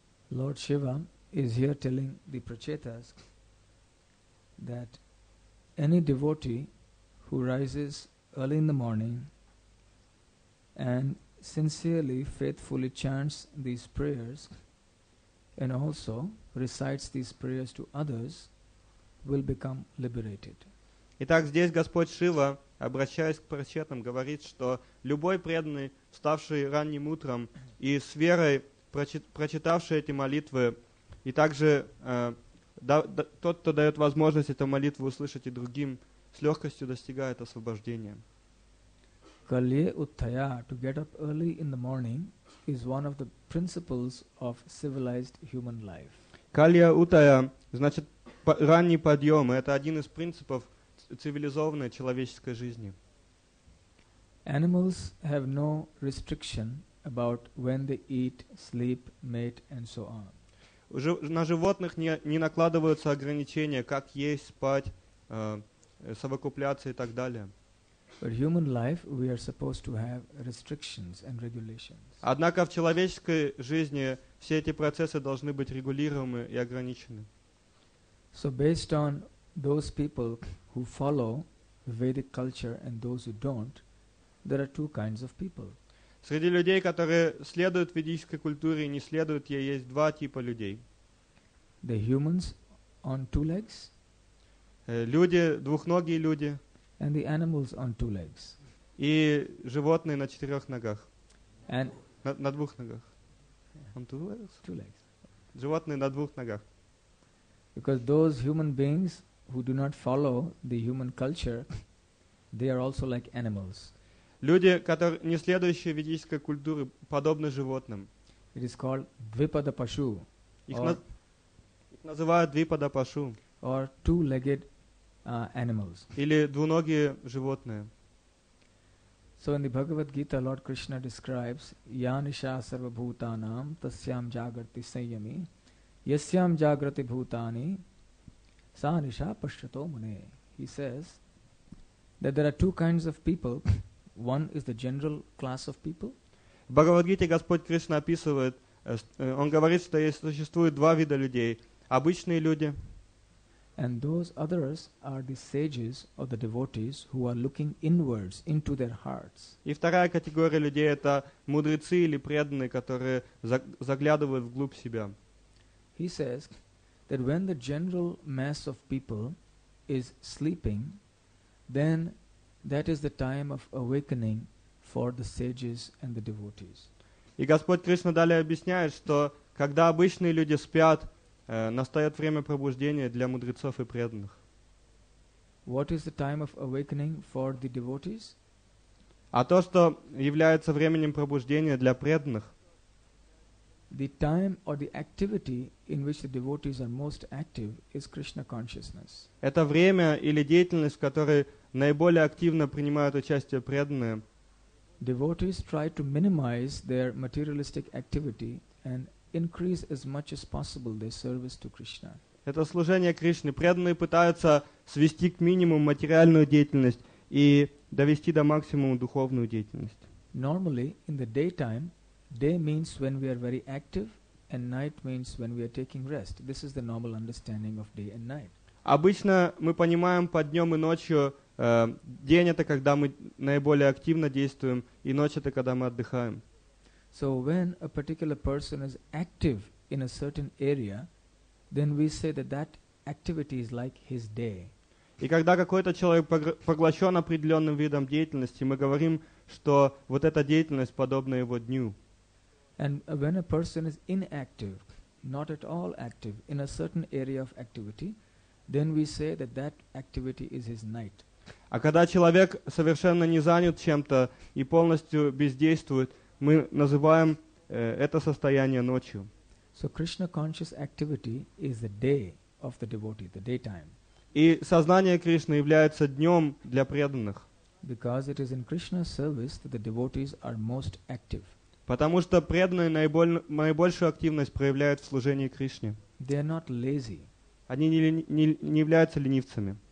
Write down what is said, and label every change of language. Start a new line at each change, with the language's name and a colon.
English: Lord Shiva is here telling the Prachetas that any devotee who rises early in the morning and sincerely, faithfully chants these prayers and also recites these prayers to others will become liberated.
Russian: Итак, здесь Господь Шива, обращаясь к Прачетам, говорит, что любой преданный, вставший ранним утром и с верой прочитавший эти молитвы, и также тот, кто дает возможность эту молитву услышать и другим, с легкостью достигает освобождения.
English: Kalye Uthaya, to get up early in the morning, is one of the principles of civilized human life.
Russian: Kalye Uthaya, значит, ранний подъем, это один из принципов цивилизованной человеческой жизни.
English: Animals have no restriction about when they eat, sleep, mate, and so on.
Russian: На животных не накладываются ограничения, как есть, спать, совокупляться и так далее.
English: But human life, we are supposed to have restrictions and regulations.
Russian: Однако в человеческой жизни все эти процессы должны быть регулируемы и ограничены.
English: So based on those people who follow Vedic culture and those who don't, there are two kinds of people.
Russian: Среди людей, которые следуют ведической культуре и не следуют ей, есть два типа людей.
English: The humans on two legs.
Russian: Люди, двухногие люди.
English: And the animals on two legs.
Russian: И животные на четырех ногах.
English: And
Russian: на двух ногах.
English: On two legs? Two legs.
Russian: Животные на двух ногах.
English: Because those human beings who do not follow the human culture, they are also like animals.
Russian: Люди, которые не следующие ведической культуре, подобны животным.
English: It is called dvipada pashu.
Russian: Их называют dvipada pashu.
English: Or two-legged animals.
Russian: Или двуногие животные.
English: So in the Bhagavad Gita, Lord Krishna describes
Sanskrit: yanisha sarva bhutanam tasyam jagrati sayami yasyam jagrati bhutani sa nisha pashyato mune.
English: He says that there are two kinds of people. One is the general class of people.
Russian: В Бхагавад-гите Господь Кришна описывает, он говорит, что существует два вида людей: обычные люди.
English: And those others are the sages or the devotees who are looking inwards into their hearts.
Russian: И вторая категория людей — это мудрецы или преданные, которые заглядывают вглубь себя.
English: He says that when the general mass of people is sleeping, then that is the time of awakening for the sages and the devotees.
Russian: И Господь Кришна далее объясняет, что когда обычные люди спят, настает время пробуждения для мудрецов и преданных.
English: What is the time of awakening for the devotees?
Russian: А то, что является временем пробуждения для преданных.
English: The time or the activity in which the devotees are most active is Krishna consciousness.
Russian: Это время или деятельность, в которой наиболее активно принимают участие преданные.
English: Devotees try to minimize their materialistic activity and increase as much as possible their service to Krishna.
Russian: Это служение Кришне. Преданные пытаются свести к минимуму материальную деятельность и довести до максимума духовную деятельность.
English: Normally, in the daytime, day means when we are very active, and night means when we are taking rest. This is the normal understanding of day and night.
Russian: Обычно мы понимаем под днем и ночью. День — это когда мы наиболее активно действуем, и ночь — это когда мы отдыхаем.
English: So when a particular person is active in a certain area, then we say that that activity is like his day.
Russian: И когда какой-то человек поглощен определенным видом деятельности, мы говорим, что вот эта деятельность подобна его дню.
English: And when a person is inactive, not at all active in a certain area of activity, then we say that that activity is his night.
Russian: А когда человек совершенно не занят чем-то и полностью бездействует, мы называем это состояние ночью.
English: So Krishna conscious activity is the day of the devotee, the daytime.
Russian: И сознание Кришны является днем для преданных.
English: Because it is in Krishna's service that the devotees are most active.
Russian: Потому что преданные наибольшую активность проявляют в служении Кришне.
English: They are not lazy.
Russian: Они не являются ленивцами.